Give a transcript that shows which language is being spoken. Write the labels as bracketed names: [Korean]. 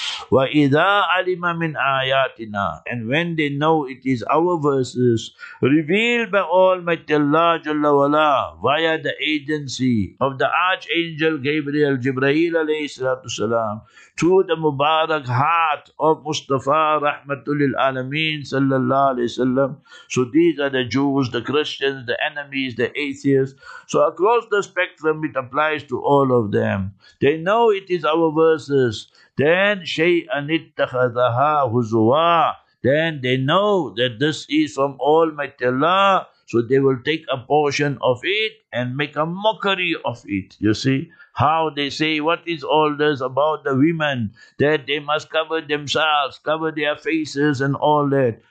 [Arabic] Wa idha alima min ayatina, [English] and when they know it is our verses revealed by Almighty Allah jalla wala via the agency of the archangel Gabriel Jibreel alayhi salatu salam to the Mubarak heart of Mustafa rahmatul alameen sallallahu alaihi wasallam. So So these are the Jews, the Christians, the enemies, the atheists. So across the spectrum, it applies to all of them. They know it is our verses. [Arabic] Then شَيْءًا اتَّخَذَهَا هُزُوًا. [English] Then they know that this is from Almighty Allah. So they will take a portion of it and make a mockery of it. You see how they say, what is all this about the women? That they must cover themselves, cover their faces and all that.